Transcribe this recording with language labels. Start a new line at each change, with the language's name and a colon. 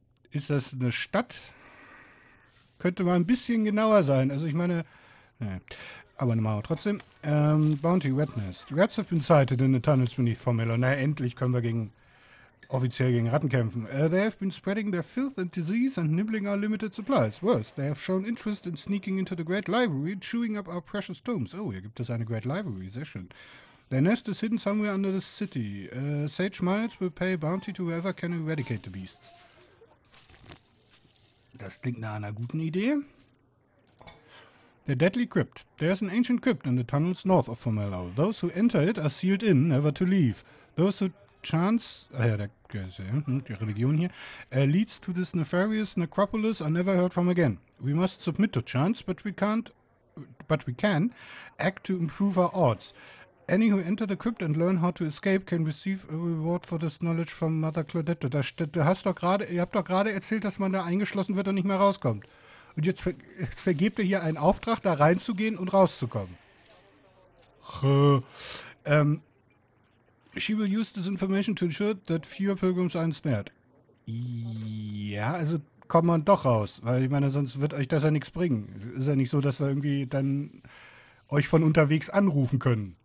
German: Ist das eine Stadt? Könnte mal ein bisschen genauer sein. Also ich meine. Ne. Aber eine Mauer trotzdem.
English: Bounty Redness. Rats have been sighted in the tunnels beneath Formello.
German: Na, endlich können wir gegen Offiziell gegen Ratten kämpfen.
English: They have been spreading their filth and disease and nibbling our limited supplies. Worse, they have shown interest in sneaking into the Great Library and chewing up our precious tomes.
German: Oh, hier gibt es eine Great Library, sehr schön.
English: Their nest is hidden somewhere under the city. Sage Miles will pay bounty to whoever can eradicate the beasts.
German: Das klingt nach einer guten Idee. The Deadly Crypt.
English: There is an ancient crypt in the tunnels north of Formello. Those who enter it are sealed in, never to leave. Those who chance...
German: Ah ja, die Religion hier.
English: Leads to this nefarious necropolis are never heard from again. We must submit to chance, but we can't... But we can act to improve our odds. Any who enter the crypt and learn how to escape can receive a reward for this knowledge from Mother Claudette.
German: Da, du hast doch gerade, ihr habt doch gerade erzählt, dass man da eingeschlossen wird und nicht mehr rauskommt. Und jetzt, jetzt vergebt ihr hier einen Auftrag, da reinzugehen und rauszukommen.
English: She will use this information to ensure that fewer pilgrims are ensnared.
German: Ja, also kommt man doch raus. Weil ich meine, sonst wird euch das ja nichts bringen. Ist ja nicht so, dass wir irgendwie dann euch von unterwegs anrufen können.